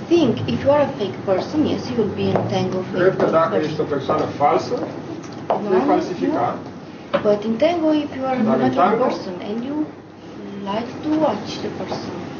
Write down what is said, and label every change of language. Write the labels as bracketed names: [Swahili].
[English] think if you are a fake person, yes, you will be entangled. [Romanian] Cred că dacă ești o persoană falsă, vei falsifica. [English] But in tango, if you are a natural person and you like to watch the person,